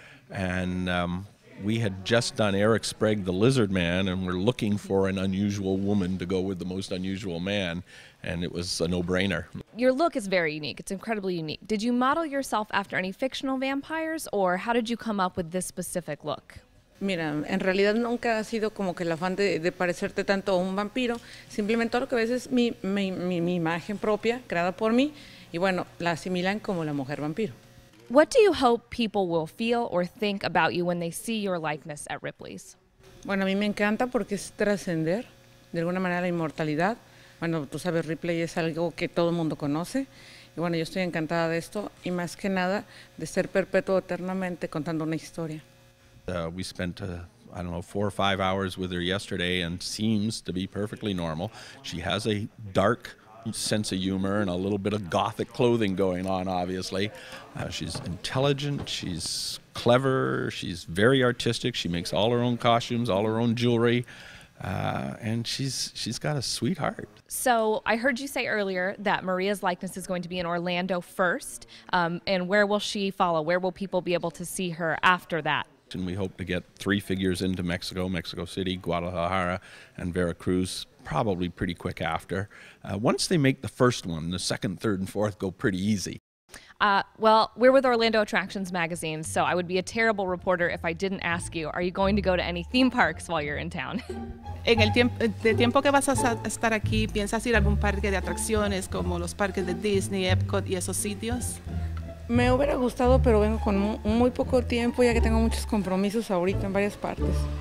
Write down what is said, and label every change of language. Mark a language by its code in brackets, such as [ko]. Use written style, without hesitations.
[en] And we had just done Eric Sprague, the Lizard Man, and we're looking for an unusual woman to go with the most unusual man. And it was a no-brainer. Your look is very unique. It's incredibly unique. Did you model yourself after any fictional vampires, or how did you come up with this specific look? [es] Mira, en realidad nunca ha sido como que el afán de parecerte tanto a un vampiro. Simplemente lo que ves es mi imagen propia, creada por mí, y bueno, la asimilan como la mujer vampiro. [en] What do you hope people will feel or think about you when they see your likeness at Ripley's? [es] Bueno, a mí me encanta porque es trascender, de alguna manera, la inmortalidad. Bueno, tú sabes, Ripley es algo que todo el mundo conoce. Y bueno, yo estoy encantada de esto, y más que nada, de ser perpetuo eternamente contando una historia. [en] We spent, 4 or 5 hours with her yesterday and seems to be perfectly normal. She has a dark sense of humor and a little bit of gothic clothing going on, obviously. She's intelligent, she's clever, she's very artistic, she makes all her own costumes, all her own jewelry, and she's got a sweetheart. So I heard you say earlier that Maria's likeness is going to be in Orlando first, and where will she follow? Where will people be able to see her after that? And we hope to get 3 figures into Mexico, Mexico City, Guadalajara, and Veracruz probably pretty quick after. Once they make the first one, the second, third, and fourth go pretty easy. Well, we're with Orlando Attractions Magazine, so I would be a terrible reporter if I didn't ask you, are you going to go to any theme parks while you're in town? [es] En el tiempo que vas a estar aquí, ¿piensas ir a algún parque de atracciones como los parques de Disney, Epcot y esos sitios? Me hubiera gustado, pero vengo con muy poco tiempo ya que tengo muchos compromisos ahorita en varias partes.